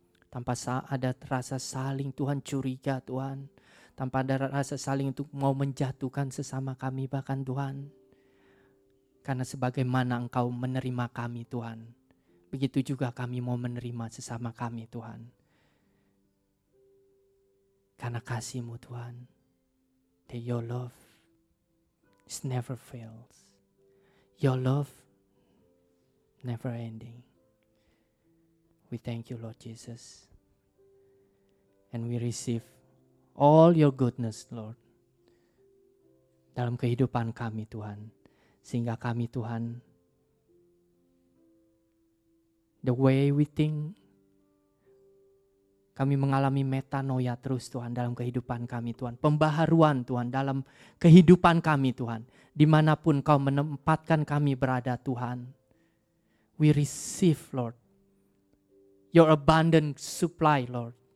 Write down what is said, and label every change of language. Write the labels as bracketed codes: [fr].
[id] tanpa ada rasa saling, Tuhan, curiga, Tuhan, tanpa ada rasa saling untuk mau menjatuhkan sesama kami, bahkan, Tuhan, karena sebagaimana Engkau menerima kami, Tuhan, begitu juga kami mau menerima sesama kami, Tuhan, karena kasih-Mu, Tuhan. [en] That your love is never fails. Your love never ending. We thank you, Lord Jesus. And we receive all your goodness, Lord. [id] Dalam kehidupan kami, Tuhan. Sehingga kami, Tuhan. [en] The way we think. [id] Kami mengalami metanoia terus, Tuhan, dalam kehidupan kami, Tuhan. Pembaharuan, Tuhan, dalam kehidupan kami, Tuhan. Dimanapun Kau menempatkan kami berada, Tuhan. [en] We receive, Lord, your abundant supply, Lord.